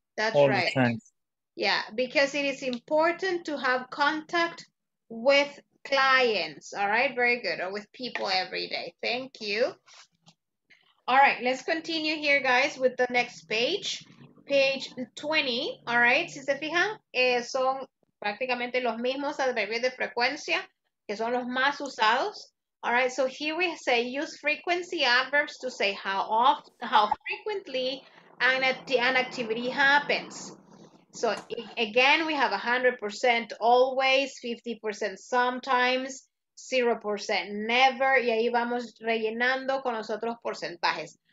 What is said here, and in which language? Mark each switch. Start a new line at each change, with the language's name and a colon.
English: That's all right. The time. Yeah, because it is important to have contact with clients. All right, very good. Or with people every day. Thank you. All right, let's continue here, guys, with the next page. Page 20. All right,
Spanish: si se fijan, son prácticamente los mismos adverbios de frecuencia, que son los más usados.
English: All right, so here we say use frequency adverbs to say how often, how frequently an activity happens. So again, we have 100% always, 50% sometimes, 0% never,
Spanish: y ahí vamos rellenando con los otros porcentajes.